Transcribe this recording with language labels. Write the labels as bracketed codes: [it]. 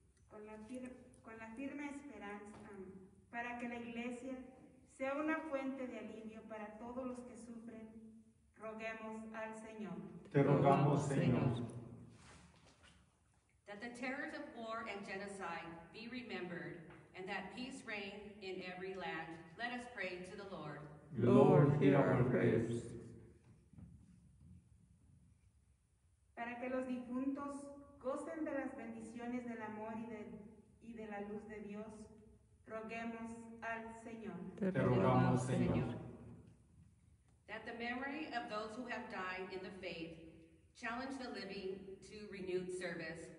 [es] Con la firme esperanza, para que la Iglesia sea una fuente de alivio para todos los que sufren, roguemos al Señor. Te rogamos, Señor. [en] That the terrors of war and genocide be remembered, and that peace reign in every land. Let us pray to the Lord. Lord, hear our prayers. [es] Para que los difuntos gocen de las bendiciones del amor y de la luz de Dios, roguemos al Señor. Te rogamos, Señor. [en] That the memory of those who have died in the faith challenge the living to renewed service.